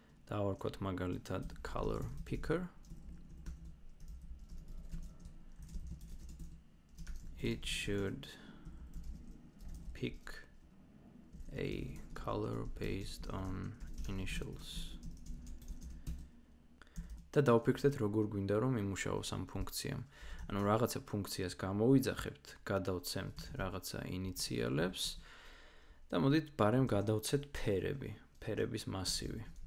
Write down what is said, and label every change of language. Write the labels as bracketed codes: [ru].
[ka] დავარქოთ მაგალითად color picker. [en] It should pick a color based on initials. [ka] და დაუფიქრდეთ როგორ გვინდა რომ იმუშაოს ამ ფუნქციამ. ანუ რაღაცა ფუნქციას გამოვიძახებთ, გადავცემთ რაღაცა ინიციალებს და მოდით ბარემ გადავცეთ ფერები, ფერების მასივი.